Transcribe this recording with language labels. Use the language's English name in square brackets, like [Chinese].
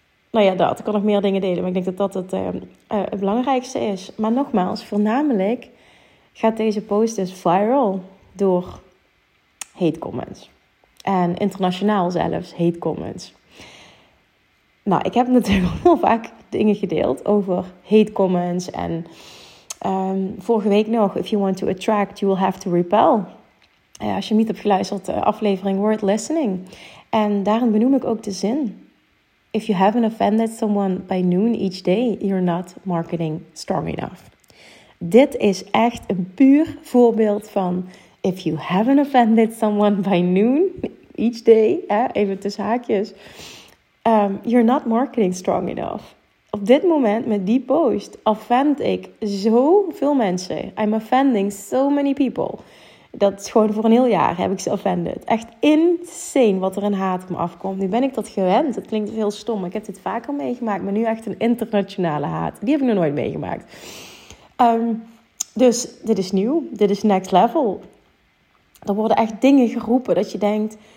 [Dutch] Nou ja, dat. Ik kan nog meer dingen delen, maar ik denk dat dat het belangrijkste is. Maar nogmaals, voornamelijk... gaat deze post dus viral door hate comments. En internationaal zelfs hate comments. Nou, ik heb natuurlijk al heel vaak dingen gedeeld over hate comments. En vorige week nog, [English] if you want to attract, you will have to repel. [Dutch] Als je niet hebt geluisterd, aflevering Word Listening. En daarin benoem ik ook de zin. [English] If you haven't offended someone by noon each day, you're not marketing strong enough. [Dutch] Dit is echt een puur voorbeeld van... [English] if you haven't offended someone by noon each day... [Dutch] even tussen haakjes... [English] you're not marketing strong enough. [Dutch] op dit moment met die post offend ik zoveel mensen. [English] I'm offending so many people. [Dutch] Dat is gewoon voor een heel jaar heb ik ze offended. Echt insane wat er een haat op me afkomt. Nu ben ik dat gewend. Het klinkt heel stom. Ik heb dit vaker meegemaakt. Maar nu echt een internationale haat. Die heb ik nog nooit meegemaakt. Dus dit is nieuw. Dit is next level. Er worden echt dingen geroepen dat je denkt...